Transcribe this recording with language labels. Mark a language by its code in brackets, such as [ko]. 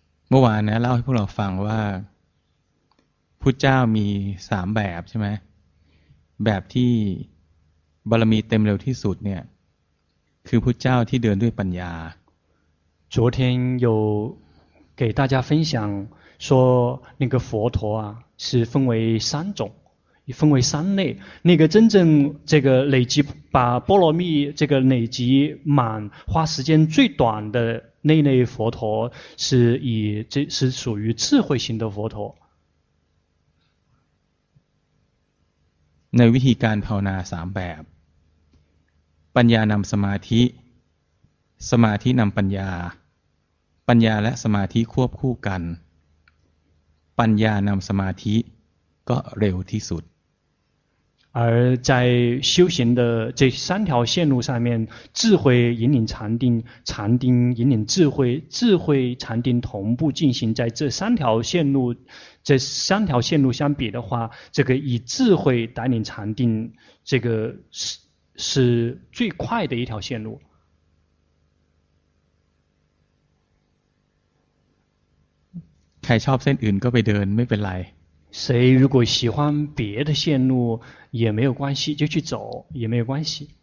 [th] เมื่อวานนะเล่าให้พวกเราฟังว่าพุทธเจ้ามีสามแบบใช่ไหมแบบที่บารมีเต็มเร็วที่สุดเนี่ยคือพุทธเจ้าที่เดินด้วยปัญญา [zh] 昨天有给大家分享说那个佛陀啊是分为三种分为三类那个真正这个累积把波罗蜜这个累积满花时间最短的那类佛陀是以这是属于智慧型的佛陀 [th] ในวิธีการภาวนาสามแบบปัญญานำสมาธิสมาธินำปัญญาปัญญาและสมาธิควบคู่กันปัญญานำสมาธิก็เร็วที่สุด [zh] 而在修行的这三条线路上面智慧引领禅定禅定引领智慧智慧禅定同步进行在这三条线路这三条线路相比的话这个以智慧带领禅定这个 是最快的一条线路 [th] ใครชอบเส้นอื่นก็ไปเดินไม่เป็นไร [zh] 谁如果喜欢别的线路也没有关系就去走也没有关系